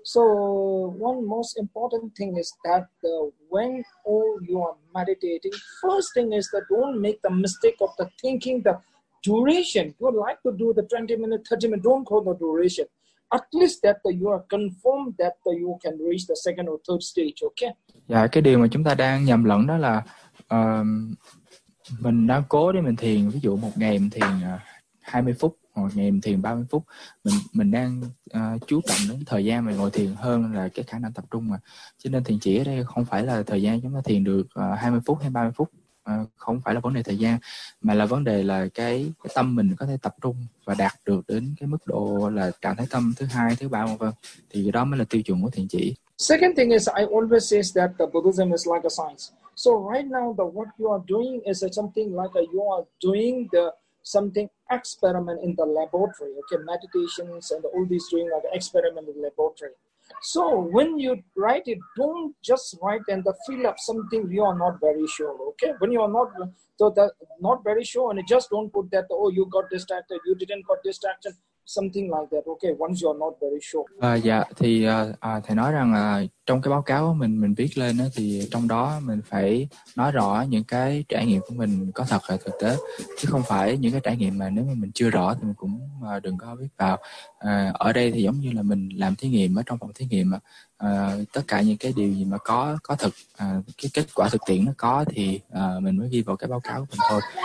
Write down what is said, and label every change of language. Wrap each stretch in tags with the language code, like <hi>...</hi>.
<en>So one most important thing is that when all you are meditating, first thing is that don't make the mistake of the thinking the duration. You like to do the 20 minute, 30 minute, don't call the duration. At least that you are confirmed that you can reach the second or third stage, okay?</en> <vi>Dạ, cái điều mà chúng ta đang nhầm lẫn đó là mình đang cố để mình thiền, ví dụ một ngày mình thiền 20 phút hoặc ngày mình thiền 30 phút, mình đang chú trọng đến thời gian mình ngồi thiền hơn là cái khả năng tập trung mà. Cho nên thiền chỉ ở đây không phải là thời gian chúng ta thiền được 20 phút hay 30 phút, không phải là vấn đề thời gian, mà là vấn đề là cái tâm mình có thể tập trung và đạt được đến cái mức độ là trạng thái tâm thứ hai, thứ ba, vân vân, thì cái đó mới là tiêu chuẩn của thiền chỉ.</vi> <en>Second thing is, I always say that the Buddhism is like a science. So right now, what you are doing is something like you are doing the something experiment in the laboratory. Okay, meditations and all these doing like experiment in the laboratory. So when you write it, don't just write and fill up something you are not very sure. Okay, when you are not so that not very sure, and just don't put that. Oh, you got distracted. You didn't got distracted. Something like that. Okay, once you are not very sure.</en> <vi>Dạ thì thầy nói rằng trong cái báo cáo mình viết lên đó, thì trong đó mình phải nói rõ những cái trải nghiệm của mình có thật hay thực tế, chứ không phải những cái trải nghiệm mà nếu mà mình chưa rõ thì mình cũng đừng có viết vào. Ở đây thì giống như là mình làm thí nghiệm ở trong phòng thí nghiệm, tất cả những cái điều gì mà có thực, cái kết quả thực tiễn nó có thì mình mới ghi vào cái báo cáo của mình thôi.</vi>